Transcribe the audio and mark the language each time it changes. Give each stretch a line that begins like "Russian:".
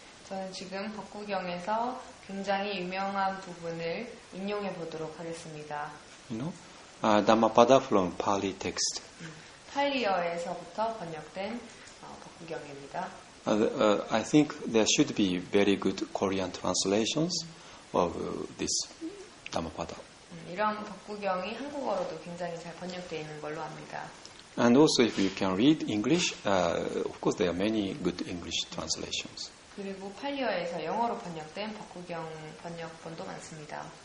Korean: 저는 지금 법구경에서 굉장히 유명한 부분을 인용해 보도록 하겠습니다.
English: You know, Dhammapada from Pali text.
Korean: 팔리어에서부터 번역된 법구경입니다.
English: I think there should be very good Korean translations of this Dhammapada.
Korean: 이런 법구경이 한국어로도 굉장히 잘 번역되어 있는 걸로 압니다.
English: And also if you can read English, of course there are many good English translations.
Korean: 그리고 팔리어에서 영어로 번역된 법구경 번역본도 많습니다.